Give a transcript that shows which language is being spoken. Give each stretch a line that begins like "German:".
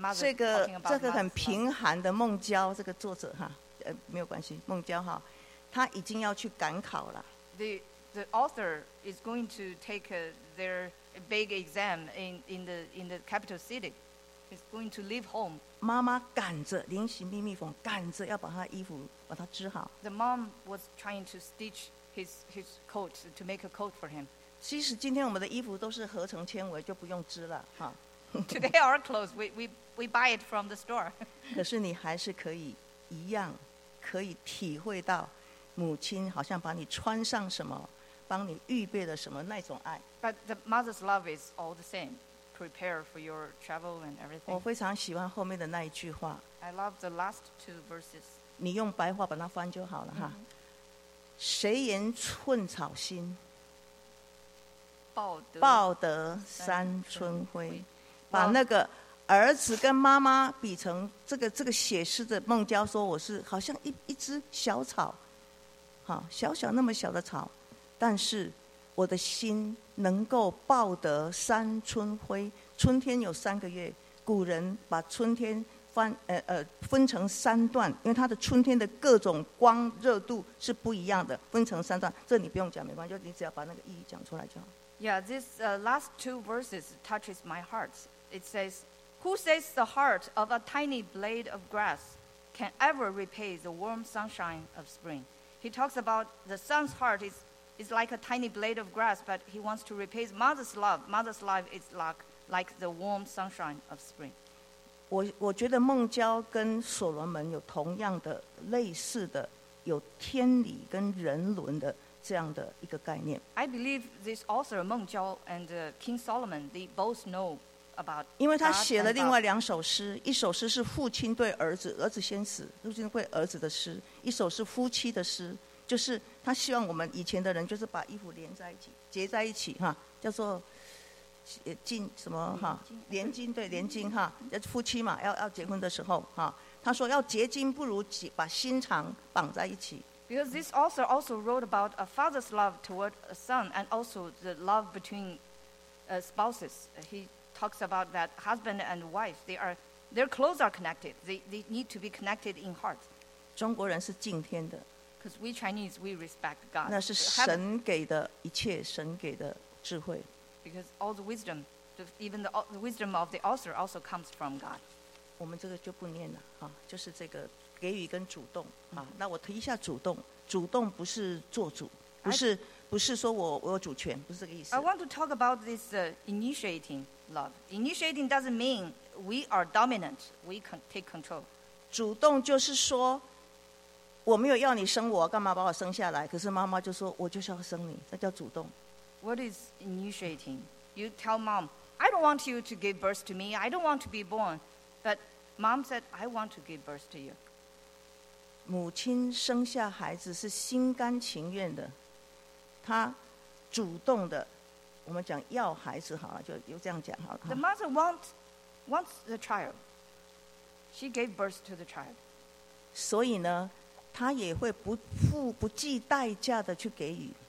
Chinese: 这个很贫寒的孟郊，这个作者哈，没有关系，孟郊哈，他已经要去赶考了。
English: The author is going to take their big exam in the capital city. He's going to leave home.
Chinese: 妈妈赶着临行密密缝，赶着要把他衣服把他织好。
English: The mom was trying to stitch. His coat to make a coat for him.
Chinese: 其实今天我们的衣服都是合成纤维，就不用织了哈。
English: Today our clothes we buy it from the store.
Chinese: 可是你还是可以一样，可以体会到母亲好像把你穿上什么，帮你预备了什么那种爱。
English: But the mother's love is all the same, prepare for your travel and everything.
Chinese: 我非常喜欢后面的那一句话。
English: I love the last two verses.
Chinese: 你用白话把它翻就好了哈。谁言寸草心，报得三春晖。把那个儿子跟妈妈比成这个写诗的孟郊说，我是好像一只小草，好小小那么小的草，但是我的心能够报得三春晖。春天有三个月，古人把春天分成三段，因为它的春天的各种光热度是不一样的，分成三段，这你不用讲，没关系，你只要把那个意义讲出来就好。
English: Yeah, this last two verses touches my heart. It says, "Who says the heart of a tiny blade of grass can ever repay the warm sunshine of spring?" He talks about the son's heart is like a tiny blade of grass, but he wants to repay his mother's love. Mother's love is like the warm sunshine of spring.
Chinese: 我觉得孟郊跟所罗门有同样的类似的有天理跟人伦的这样的一个概念。
English: I believe this author 孟郊 and King Solomon they both know about.
Chinese: 因为他写了另外两首诗，一首诗是父亲对儿子，儿子先死，父亲对儿子的诗；一首是夫妻的诗，就是他希望我们以前的人就是把衣服连在一起，结在一起哈，叫做。金什么哈？连金对连金哈，夫妻嘛，要结婚的时候哈，他说要结金不如把心肠绑在一起。
English: Because this author also wrote about a father's love toward a son, and also the love between spouses. He talks about that husband and wife, their clothes are connected. They need to be connected in heart.
Chinese: 中国人是敬天的。
English: Because we Chinese we respect God.
Chinese: 那是神给的一切，神给的智慧。
English: Because all the wisdom, even the wisdom of the author also comes from God.
Chinese: 我们这个就不念了哈，就是这个给予跟主动啊。那我提一下主动，主动不是做主，不是不是说我有主权，不是这个意思。
English: I want to talk about this initiating love. Initiating doesn't mean we are dominant. We can take control.
Chinese: 主动就是说，我没有要你生我，干嘛把我生下来？可是妈妈就说，我就是要生你，那叫主动。
English: What is initiating? You tell mom, I don't want you to give birth to me. I don't want to be born. But mom said, I want to give birth to you.
Chinese: 母亲生下孩子是心甘情愿的，她主动的，我们讲要孩子好了，就这样讲好了。
English: The mother wants the child. She gave birth to the child.
Chinese: 所以呢，她也会不付不计代价的去给予。